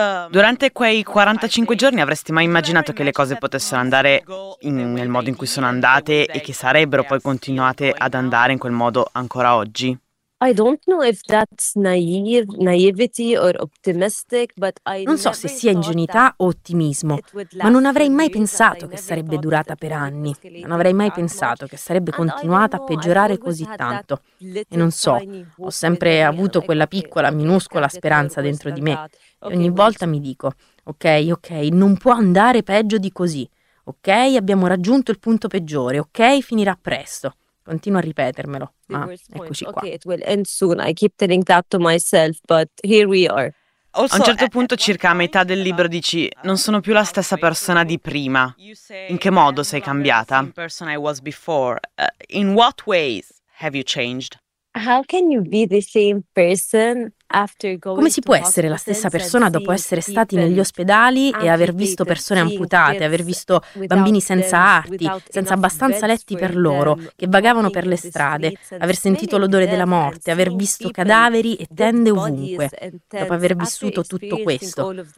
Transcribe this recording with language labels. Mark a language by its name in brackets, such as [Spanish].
[Italian] Durante quei 45 giorni avresti mai immaginato che le cose potessero andare nel modo in cui sono andate e che sarebbero poi continuate ad andare in quel modo ancora oggi? [English] I don't know if that's naivety or optimistic, but I [Italian] non so se sia ingenuità o ottimismo, ma non avrei mai pensato che sarebbe durata per anni. Non avrei mai pensato che sarebbe continuata a peggiorare così tanto. E non so, ho sempre avuto quella piccola, minuscola speranza dentro di me. E ogni volta mi dico, ok, non può andare peggio di così. Ok, abbiamo raggiunto il punto peggiore. Ok, finirà presto. Continuo a ripetermelo, ma eccoci qua. [English] Okay, it will end soon. I keep telling that to myself, but here we are. [Italian] A un certo punto, circa a metà del libro, dici: non sono più la stessa persona di prima. In che modo sei cambiata? [English] Person I was before. In what ways have you changed? How can you be the same person after going? [Italian] Come si può essere la stessa persona dopo essere stati negli ospedali e aver visto persone amputate, aver visto bambini senza arti, senza abbastanza letti per loro, che vagavano per le strade, aver sentito l'odore della morte, aver visto cadaveri e tende ovunque, dopo aver vissuto tutto questo?